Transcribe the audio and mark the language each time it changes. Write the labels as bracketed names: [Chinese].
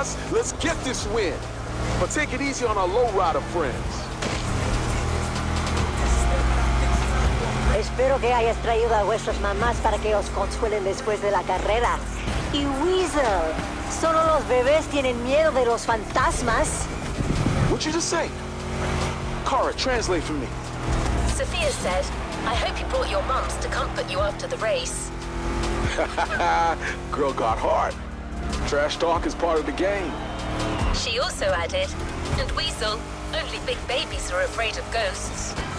[English] Let's get this win, but take it easy on our lowrider friends. [Spanish] Espero que hayas traído a vuestras mamás para que os consuelen después de la carrera. Y Weasel, solo los bebés tienen miedo de los fantasmas. [English] What you just say? Kara, translate for me. Sophia said, I hope you brought your mums to comfort you after the race. Girl got heart. Trash talk is part of the game. She also added, and Weasel, only big babies are afraid of ghosts.